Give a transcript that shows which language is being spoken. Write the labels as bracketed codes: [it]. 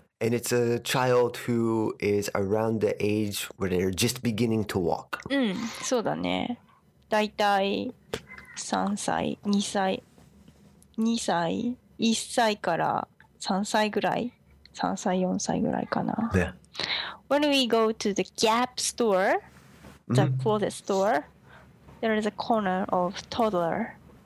[en] And it's a child who is around the age where they're just beginning to walk. [ja] うん、そうだね。だいたい3歳、2歳、1歳から3歳ぐらい、 3歳4歳ぐらいかな。 [en] Yeah. When we go to the Gap store, the closet store, there is a corner of toddler.